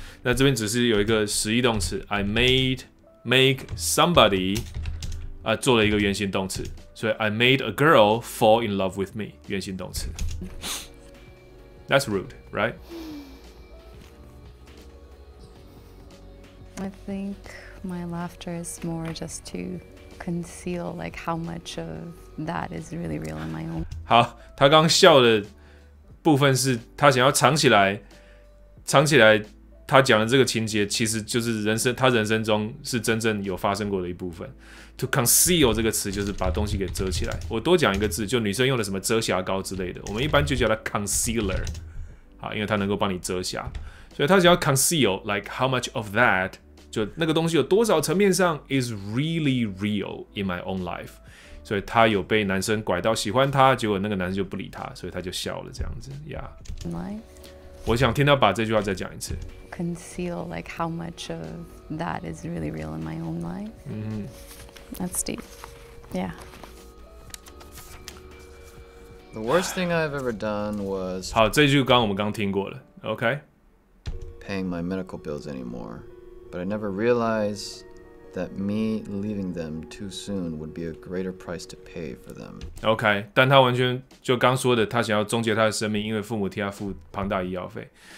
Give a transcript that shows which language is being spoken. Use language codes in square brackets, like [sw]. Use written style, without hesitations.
[zh] 那这边只是有一个实义动词 ， [en] I make somebody [zh] 啊，做了一个原形动词，所以 [en] I made a girl fall in love with me， [zh] 原形动词。 [en] That's rude, right? I think my laughter is more just to conceal like how much of that is really real in my own. [zh] 好，他刚笑的部分是他想要藏起来他讲的这个情节其实就是他人生中是真正有发生过的一部分。 To conceal 这个词就是把东西给遮起来。我多讲一个字，就女生用的什么遮瑕膏之类的，我们一般就叫它 concealer。好，因为它能够帮你遮瑕，所以他想要 [en] conceal like how much of that [zh] 就那个东西有多少层面上 [en] is really real in my own life。 [zh] 所以他有被男生拐到喜欢他，结果那个男生就不理他，所以他就笑了这样子 ，Yeah。我想听到把这句话再讲一次。 [en] Conceal like how much of that is really real in my own life. 嗯，That's deep. Yeah. The worst thing I've ever done was. [zh] 好，这句我们刚听过了。OK. [en] Paying my medical bills anymore, but I never realized that me leaving them too soon would be a greater price to pay for them. OK. [zh] 但他完全就刚说的，他想要终结他的生命，因为父母替他付庞大医药费。